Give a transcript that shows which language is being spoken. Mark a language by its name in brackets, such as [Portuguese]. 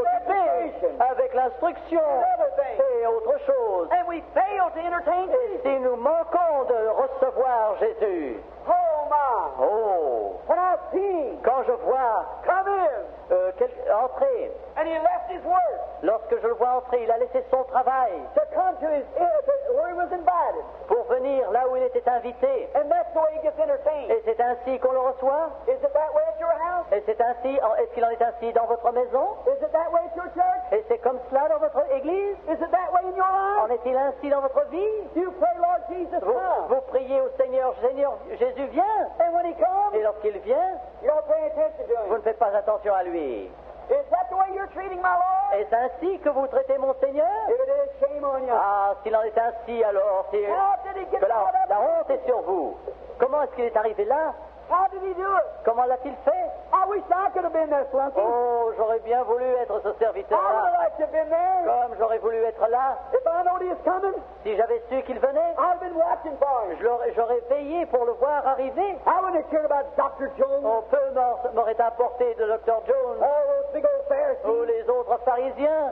[French] occupés avec l'instruction et autre chose. [English] And we fail to entertain [French] et si nous manquons de recevoir Jésus. [English] Oh, my. [French] Oh. [English] When I see [French] quand je vois [English] come in. [French] Entrer. [English] And he left his work. [French] Lorsque je le vois entrer, il a laissé son travail [English] to come to his, where he was invited. [French] Pour venir là où il était invité. [English] And that's the way he gets entertained. [French] Et c'est ainsi qu'on le reçoit. [English] Is it that way at your house? [French] Et c'est ainsi, est-ce qu'il en est ainsi dans votre maison? [English] Is it that way at your church? [French] Et c'est comme cela dans votre église? [English] Is it that way in your life? [French] En est-il ainsi dans votre vie? [English] Do you pray, Lord Jesus, [French] vous, [English] come? [French] Vous priez au Seigneur, Seigneur Jésus vient. [English] And when he comes, [French] et lorsqu'il vient, [English] you don't pay attention to him. [French] Vous ne faites pas attention à lui. [English] Is that the way you're treating my Lord? [French] Est-ce ainsi que vous traitez mon Seigneur? [English] If it is, shame on you. [French] Ah, s'il en est ainsi, alors si que la honte est sur vous. Comment est-ce qu'il est arrivé là? [English] How did he do it? [French] Comment l'a-t-il fait? [English] I wish I could have been there, Flunky. [French] Oh, j'aurais bien voulu être ce serviteur-là. [English] I would have liked to have been there. [French] Comme j'aurais voulu être là. [English] If I knew he was coming, [French] si j'avais su qu'il venait, [English] I would have been watching for him. [French] J'aurais veillé pour le voir arriver. [English] I wouldn't have cared about Dr. Jones. [French] Oh, peu m'aurait importé de Dr. Jones. [English] All those big old Pharisees. [French] Ou les autres pharisiens.